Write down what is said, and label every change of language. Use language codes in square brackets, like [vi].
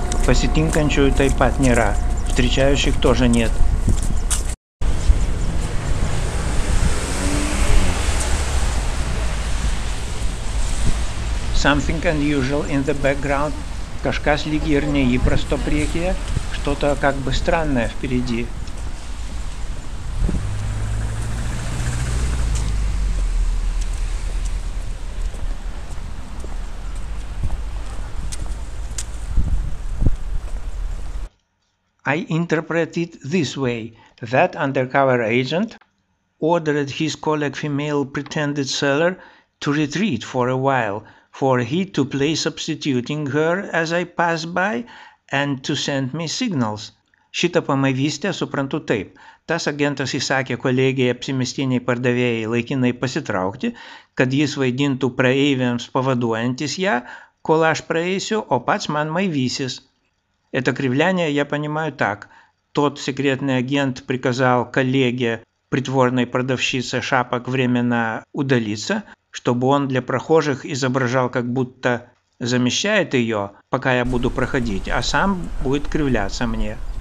[lt] Посетинкančiųjų taip pat nėra. [ru] Встречающих тоже нет. [en] Something unusual in the background. [lt] Кažkas lyg ir neįprasto priekyje. [ru] Что-то как бы странное впереди. [en] I interpret it this way, that undercover agent ordered his colleague female pretended seller to retreat for a while, for he to play substituting her as I pass by and to send me signals. [lt] Šitą pamavystę suprantu taip. Tas agentas įsakė kolegijai apsimestiniai pardavėjai laikinai pasitraukti, kad jis vaidintų praeiviams pavaduojantis ją, kol aš praeisiu, o pats man maivysis. [ru] Это кривляние я понимаю так. Тот секретный агент приказал коллеге притворной продавщице шапок временно удалиться, чтобы он для прохожих изображал, как будто замещает ее, пока я буду проходить, а сам будет кривляться мне.